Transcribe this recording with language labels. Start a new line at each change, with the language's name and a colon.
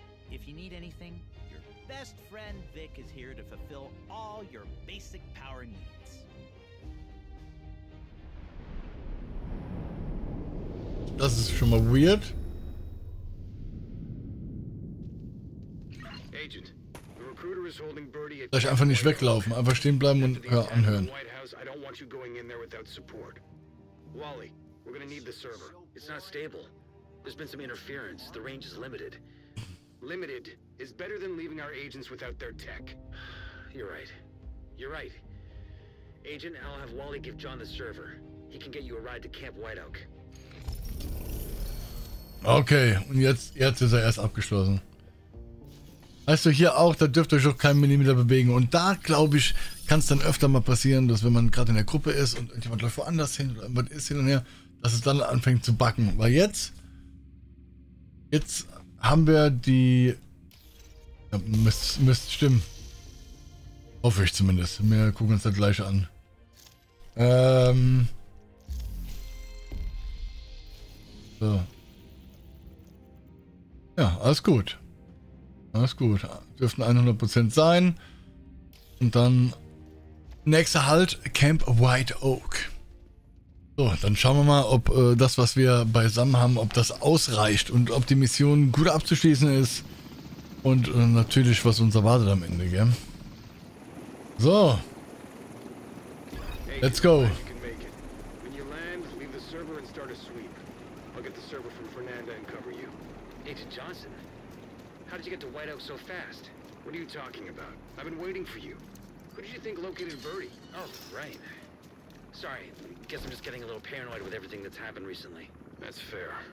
English: If you need anything, your best friend Vic is here to fulfill all your basic power needs.
German: Das ist schon mal weird.
English: Agent, the recruiter is holding Birdie.
German: Soll ich einfach nicht weglaufen, einfach stehen bleiben und anhören.
English: White House, I don't want you going in there without support. Wally, we're gonna need the server. It's not stable. There's been some interference. The range is limited. Limited is better than leaving our agents without their tech. You're right. You're right. Agent, I'll have Wally give John the server. He can get you a ride to Camp White Oak.
German: Okay, und jetzt ist erst abgeschlossen. Weißt du, hier auch, da dürft ihr euch auch keinen Millimeter bewegen. Und da, glaube ich, kann es dann öfter mal passieren, dass wenn man gerade in der Gruppe ist und jemand läuft woanders hin oder irgendwas ist hin und her, dass es dann anfängt zu backen. Weil jetzt haben wir die... Ja, müsste stimmen. Hoffe ich zumindest. Wir gucken uns das gleich an. So. Ja, alles gut. Alles gut. Dürften 100% sein. Und dann... Nächster Halt, Camp White Oak. So, dann schauen wir mal, ob das, was wir beisammen haben, ob das ausreicht und ob die Mission gut abzuschließen ist und natürlich, was uns erwartet am Ende, gell? So.
English: Let's go. When you land, leave the server and start a sweep. I'll get the server from Fernanda and cover you. Agent Johnson, how did you get to White Oak so fast? What are you talking about? I've been waiting for you. Who did you think located Birdie? Oh, right. Sorry, guess I'm just getting a little paranoid with everything that's happened recently. That's fair.